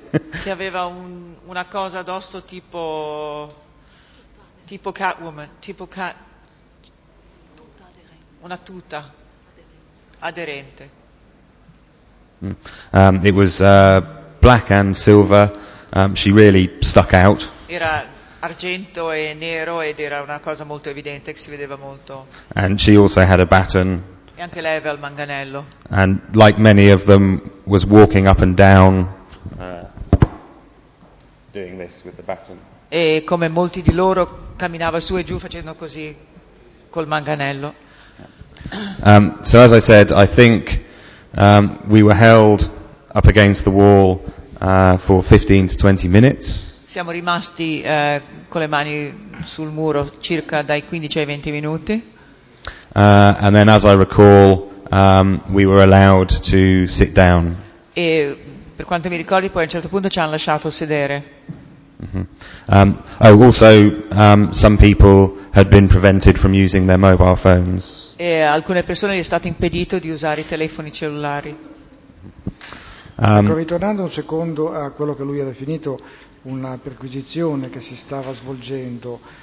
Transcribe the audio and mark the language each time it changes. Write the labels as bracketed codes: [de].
[it] Che aveva una cosa addosso tipo Catwoman, tipo cat, una tuta aderente. [en] It was black and silver. She really stuck out. [it] Era argento e nero ed era una cosa molto evidente che si vedeva molto. [en] And she also had a baton. [it] E anche lei aveva il manganello. [en] And like many of them was walking up and down doing this with the baton. [it] E come molti di loro camminava su e giù facendo così col manganello. [en] So as I said, I think we were held up against the wall for 15 to 20 minutes. [it] Siamo rimasti con le mani sul muro circa dai 15 ai 20 minuti. [en] And then, as I recall, we were allowed to sit down. [it] E per quanto mi ricordi, poi a un certo punto ci hanno lasciato sedere. Mm-hmm. [en] Also, some people had been prevented from using their mobile phones. [it] E alcune persone gli è stato impedito di usare i telefoni cellulari. Ritornando un secondo a quello che lui ha definito una perquisizione che si stava svolgendo.